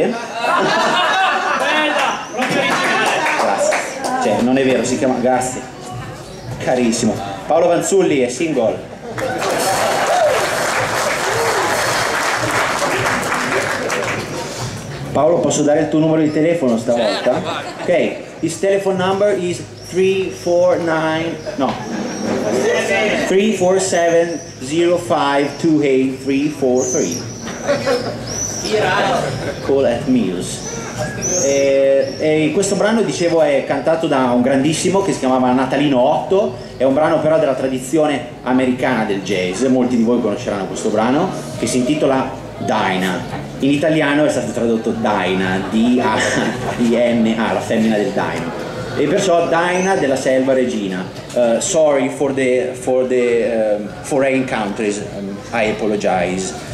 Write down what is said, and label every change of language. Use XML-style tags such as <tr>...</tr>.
<it>Bella, proprio originale. Grazie. Cioè, non è vero, si chiama... Grazie. Carissimo. Paolo Vanzulli è single. Paolo, posso dare il tuo numero di telefono stavolta? Certo,</it> <en>ok, his telephone number is 347-0528-343. Call at Muse.</en> <it>E questo brano, dicevo, è cantato da un grandissimo che si chiamava Natalino Otto, è un brano però della tradizione americana del jazz, molti di voi conosceranno questo brano, che si intitola Dinah. In italiano è stato tradotto Dinah, D-A-I-N-A, la femmina del Dino. E perciò Dinah della selva regina.</it> <en>Sorry for the foreign countries. I apologize.</en>